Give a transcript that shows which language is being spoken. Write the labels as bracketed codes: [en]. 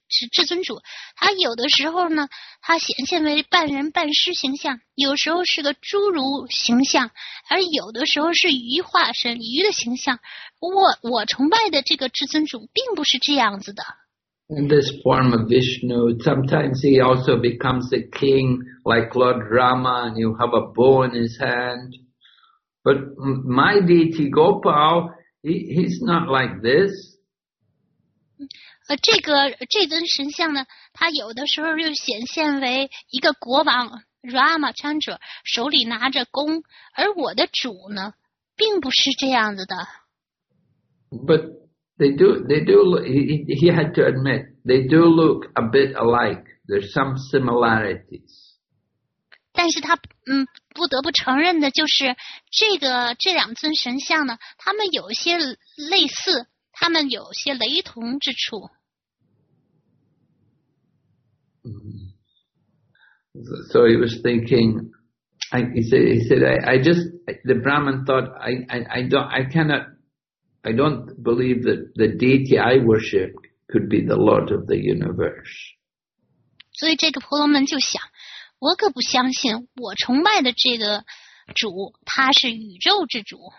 [zh] 是至尊主，他有的时候呢，他显现为半人半狮形象，有时候是个侏儒形象，而有的时候是鱼化身，鱼的形象。我崇拜的这个至尊主并不是这样子的。 [en] In this form of Vishnu, sometimes he also becomes a king like Lord Rama, and you have a bow in his hand. But my deity Gopal, he's not like this. [zh] 这尊神像呢，他有的时候又显现为一个国王 Rama Chandra 手里拿着弓，而我的主呢并不是这样子的。 [en] But they do look, he had to admit, they do look a bit alike. There's some similarities. [zh] 但是他不得不承认的就是这两尊神像呢，他们有一些类似，他们有些雷同之处。 [en] So he was thinking, the Brahman thought, I don't believe that the deity I worship could be the Lord of the universe. [zh] 所以这个婆罗门就想，我可不相信我崇拜的这个主，他是宇宙之主。